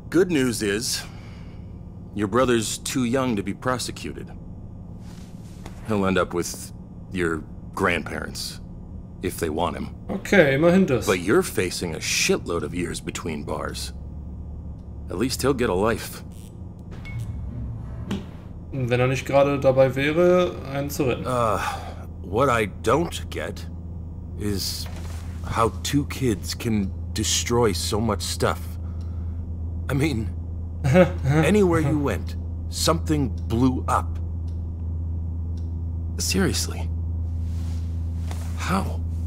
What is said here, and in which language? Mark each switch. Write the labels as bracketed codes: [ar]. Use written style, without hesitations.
[en] Good news is, your brother's too young to be prosecuted. He'll end up with your grandparents, if they want him. [de] Okay, immerhin das. [en] But you're facing a shitload of years between bars. At least he'll get a life. [de] Wenn nicht gerade dabei wäre, einen zu retten. [en] What I don't get is how two kids can destroy so much stuff. I mean, anywhere you went, something blew up. Seriously. How?